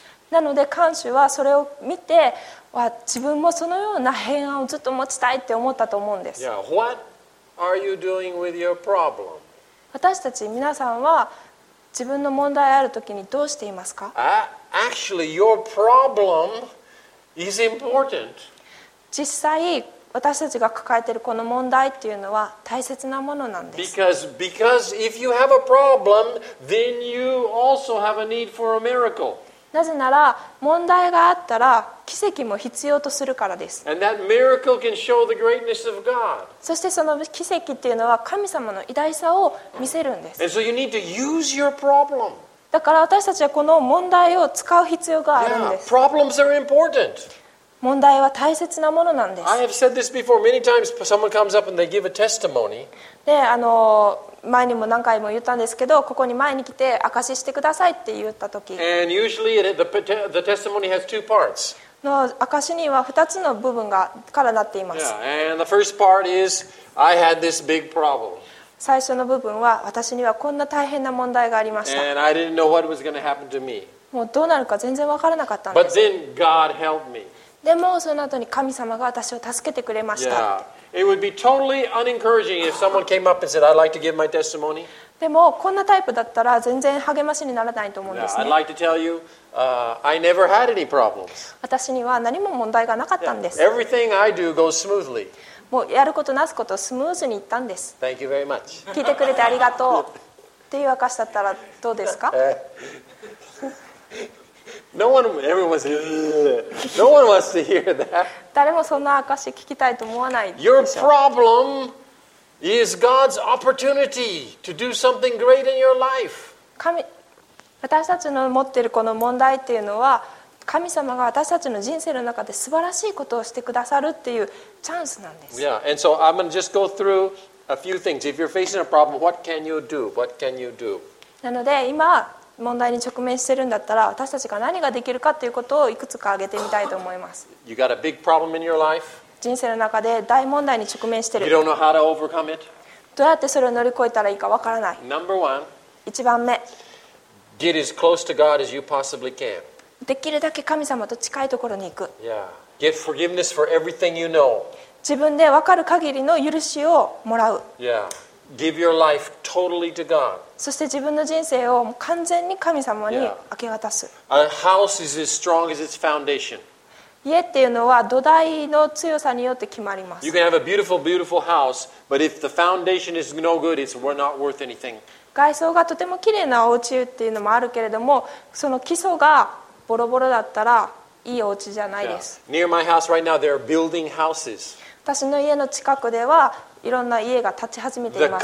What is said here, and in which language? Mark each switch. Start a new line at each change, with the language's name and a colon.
Japanese: なので看守はそれを見て自分もそのような平安をずっと持ちたいって思ったと思うんです。
English: Yeah, what are you doing with your problem?
Japanese: 私たち皆さんは自分の問題あるときにどうしていますか？
English: Actually, your problem is important.
Japanese: 実際私たちが抱えているこの問題っていうのは大切なものなんです。
English: Because if you have a problem, then you also have a need for a miracle.
Japanese: なぜなら問題があったら奇跡も必要とするからです。
English: And that miracle can show the greatness of God.
Japanese: そしてその奇跡っていうのは神様の偉大さを見せるんです。
English: And so you need to use your problem.
Japanese: だから私たちはこの問題を使う必要があるんです。
English: Yeah, problems are important.
Japanese: 問題は大切なものなんです。
English: I have said this before. Many times someone comes up and they give a testimony.
Japanese: で、前にも何回も言ったんですけど、ここに前に来て証ししてくださいって言った時。
English: And usually the testimony has two parts.
Japanese: の証しには2つの部分がからなっています。
English: Yeah, and the first part is I had this big problem.
Japanese: 最初の部分は私にはこんな大変な問題がありました。
English: And I didn't know what was going to happen to me.
Japanese: もうどうなるか全然分からなかったんです。
English: But then God helped me.
Japanese: でもその後に神様が私を助けてくれました。
English: Yeah. It would be totally unencouraging if someone came up and said, "I'd like to give my testimony."
Japanese: でもこんなタイプだったら全然励ましにならないと思うんですね。
English: Yeah. I'd like to tell you, I never had any problems.
Japanese: 私には何も問題がなかったんです。
English: Yeah. Everything I do goes smoothly.
Japanese: もうやることなすことスムーズにいったんです。
English: Thank you very much.
Japanese: 聞いてくれてありがとうっていう証だったらどうですか？
English: No one wants to hear that.
Japanese: 誰もそんな証聞きたいと思わないでしょ。
English: Your problem is God's opportunity to do something great in your life.
Japanese: 私たちの持っているこの問題っていうのは、神様が私たちの人生の中で素晴らしいことをしてくださるっていうチャンスなんです。
English: Yeah, and so I'm going to just go through a few things. If you're facing a problem, what can you do? What can you do?
Japanese: なので今問題に直面してるんだったら、私たちが何ができるかということをいくつか挙げてみたいと思います。
English: You got a big problem in your life.
Japanese: 人生の中で大問題に直面してる。
English: You don't know how to overcome it.
Japanese: どうやってそれを乗り越えたらいいかわからない。
English: Number one.
Japanese: 一番目。
English: Get as close to God as you possibly can.
Japanese: できるだけ神様と近いところに行く。
English: Yeah. Get forgiveness for everything you know.
Japanese: 自分で分かる限りの許しをもらう。
English: Yeah. Give your life totally to God.
Japanese: そして自分の人生を完全に神様に明け渡す。
English: A house is as strong as its foundation.
Japanese: 家っていうのは土台の強さによって決まります。
English: You can have a beautiful, beautiful house, but if the foundation is no good, it's not worth anything.
Japanese: 外装がとても綺麗なお家っていうのもあるけれども、その基礎がボロボロだったらいいお家じゃないです。
English: Yeah. Near my house right now, they're building houses.
Japanese: 私の家の近くでは、いろんな家が建ち始めています。